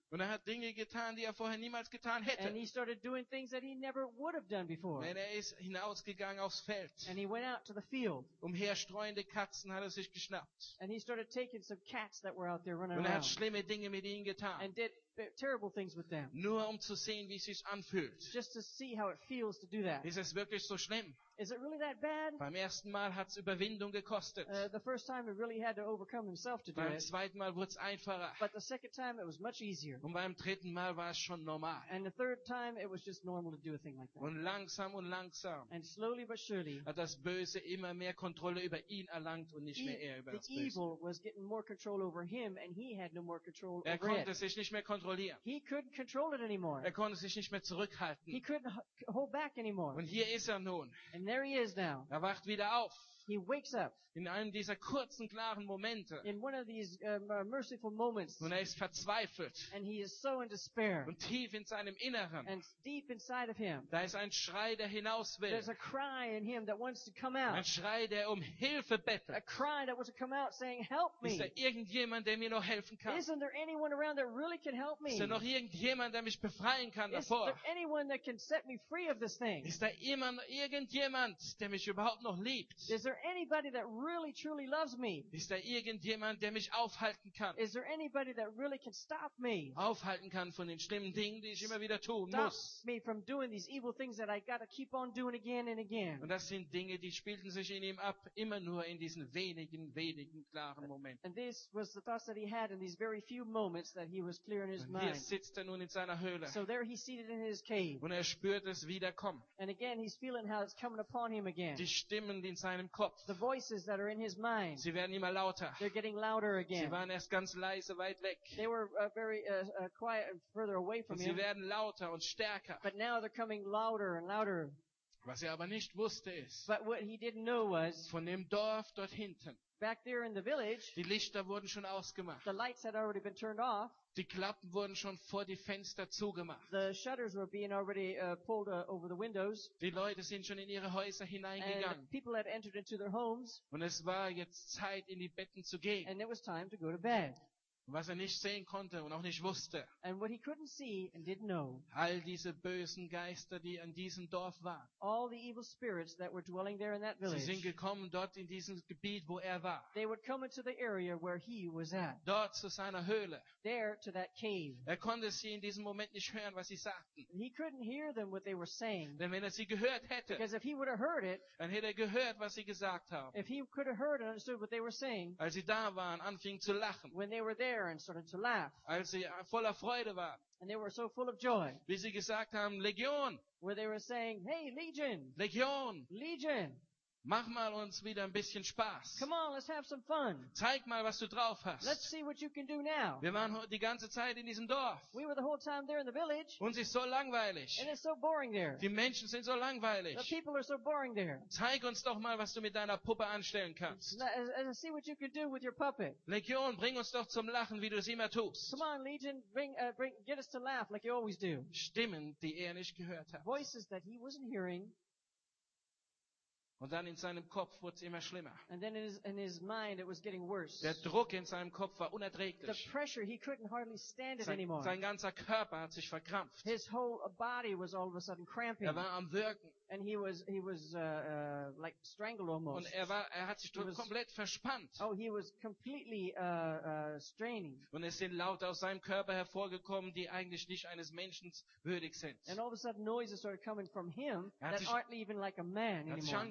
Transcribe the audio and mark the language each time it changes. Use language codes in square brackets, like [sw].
[de] Und er hat Dinge getan, die er vorher niemals getan hätte. [en] And he started doing things that he never would have done before. [de] Und er ist hinausgegangen aufs Feld. [en] And he went out to the field. [de] Umherstreuende Katzen hat er sich geschnappt. [en] And he started taking some cats that were out there running around. [de] Und er hat schlimme Dinge mit ihnen getan. [en] And did terrible things with them. [de] Nur zu sehen, wie es sich anfühlt. [en] Just to see how it feels to do that. [de] Ist es wirklich so schlimm? [en] Is it really that bad? [de] Beim ersten Mal hat's Überwindung gekostet. [en] The first time he really had to overcome himself to do [de] it. Beim zweiten Mal wurde es einfacher. [en] But the second time it was much easier. [de] Und beim dritten Mal war es schon normal. [en] And the third time it was just normal to do a thing like that. [de] Und langsam [en] and slowly but surely, [de] hat das Böse immer mehr Kontrolle über ihn erlangt und nicht mehr er über das Böse. [en] The evil was getting more control over him and he had no more control over it. [de] Er konnte sich nicht mehr kontrollieren. [en] He couldn't control it anymore. [de] Er konnte sich nicht mehr zurückhalten. [en] He couldn't hold back anymore. [de] Und hier ist er nun. [en] And there he is now. [de] Er wacht wieder auf. [en] He wakes up. [de] In einem dieser kurzen, klaren Momente. [en] In one of these merciful moments. [de] Und er ist verzweifelt. [en] And he is so in despair. [de] Und tief in seinem Inneren. [en] And deep inside of him. [de] Da ist ein Schrei, der hinaus will. [en] There's a cry in him that wants to come out. [de] Ein Schrei, der Hilfe bettelt. [en] A cry that wants to come out saying, help me. [de] Ist da irgendjemand, der mir noch helfen kann? [en] Isn't there anyone around that really can help me? [de] Ist da noch irgendjemand, der mich befreien kann davor? [en] Is there anyone that can set me free of this thing? [de] Ist da immer noch irgendjemand, der mich überhaupt noch liebt? [en] Is there anybody that really truly loves me? [de] Ist da irgendjemand, der mich aufhalten kann? [en] Is there anybody that really can stop me? [de] Aufhalten kann von den schlimmen Dingen, die ich immer wieder tun muss. [en] Stop me from doing these evil things that I gotta keep on doing again and again. [de] Und das sind Dinge, die spielten sich in ihm ab, immer nur in diesen wenigen klaren Momenten. [en] And this was the thoughts that he had in these very few moments that he was clear in his mind. [de] Und hier sitzt er nun in seiner Höhle. [en] So there he seated in his cave. [de] Und er spürt es wiederkommen. [en] And again he's feeling how it's coming upon him again. [de] Die Stimmen in seinem [en] the voices that are in his mind. [de] Sie werden immer lauter. [en] They're getting louder again. [de] Sie waren erst ganz leise weit weg. [en] They were very quiet and further away from [de] und [en] him. [de] Sie werden lauter und stärker. [en] But now they're coming louder and louder. [de] Was er aber nicht wusste ist, [en] but what he didn't know was, [de] von dem Dorf dort hinten, [en] back there in the village, [de] die Lichter wurden schon ausgemacht. [en] The lights had already been turned off. [de] Die Klappen wurden schon vor die Fenster zugemacht. [en] The shutters were being already pulled over the windows. [de] Die Leute sind schon in ihre Häuser hineingegangen. [en] And people had entered into their homes. [de] Und es war jetzt Zeit, in die Betten zu gehen. [en] And it was time to go to bed. [de] Was er nicht sehen konnte und auch nicht wusste. [en] And what he couldn't see and didn't know. [de] All diese bösen Geister, die an diesem Dorf waren. [en] All the evil spirits that were dwelling there in that village. [de] Sie sind gekommen dort in diesem Gebiet, wo er war. [en] They would come into the area where he was at. [de] Dort zu seiner Höhle. [en] There to that cave. [de] Er konnte sie in diesem Moment nicht hören, was sie sagten. [en] He couldn't hear them what they were saying. [de] Denn wenn er sie gehört hätte. [en] Because if he would have heard it. [de] Dann hätte er gehört, was sie gesagt haben. [en] If he could have heard and understood what they were saying. [de] Als sie da waren, anfingen zu lachen. [en] When they were there. And started to laugh. [de] Als sie voller Freude waren. [en] And they were so full of joy. [de] Wie sie gesagt haben, Legion. [en] Where they were saying, hey, Legion. [de] Legion. [en] Legion. [de] Mach mal uns wieder ein bisschen Spaß. [en] Come on, let's have some fun. [de] Zeig mal, was du drauf hast. [en] Let's see what you can do now. [de] Wir waren die ganze Zeit in diesem Dorf. [en] We were the whole time there in the village. [de] Und es ist so langweilig. [en] And it's so boring there. [de] Die Menschen sind so langweilig. [en] The people are so boring there. [de] Zeig uns doch mal, was du mit deiner Puppe anstellen kannst. [en] See what you can do with your puppet. [de] Legion, bring uns doch zum Lachen, wie du es immer tust. [en] Come on, Legion, bring, get us to laugh like you always do. [de] Stimmen, die er nicht gehört hat. [en] Voices that he wasn't hearing. [de] Und dann in seinem Kopf wurde es immer schlimmer. [en] And then in his mind it was getting worse. [de] Der Druck in seinem Kopf war unerträglich. [en] The pressure, he couldn't hardly stand it anymore. [de] Sein ganzer Körper hat sich verkrampft. [en] His whole body was all of a sudden cramping. [de] Er war am Würgen. [en] And he was like strangled almost. [de] Und er hat sich komplett verspannt. [en] Oh, he was completely straining. [de] Und es sind Laute aus seinem Körper hervorgekommen, die eigentlich nicht eines Menschen würdig sind. [en] And all of a sudden noises started coming from him that aren't even like a man anymore.